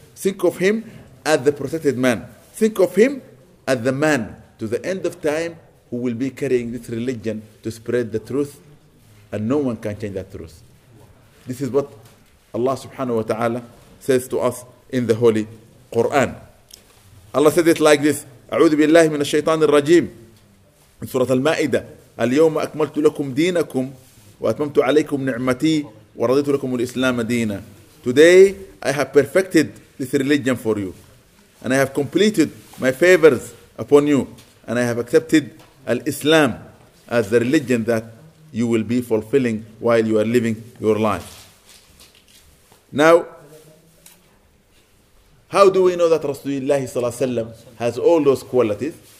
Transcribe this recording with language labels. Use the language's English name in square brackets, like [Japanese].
[English] Think of him as the protected man. Think of him as the man to the end of time who will be carrying this religion to spread the truth, and no one can change that truth. This is what Allah subhanahu wa ta'ala says to us in the Holy Quran. Allah said it like this, [Arabic] أعوذ بالله من الشيطان الرجيم من سورة المائدة اليوم أكملت لكم دينكم وأتممت عليكم نعمتي ورضيت لكم الإسلام دينا. [English] Today I have perfected this religion for you, and I have completed my favors upon you, and I have accepted Islam as the religion that you will be fulfilling while you are living your life. Now, how do we know that Rasulullah has all those qualities?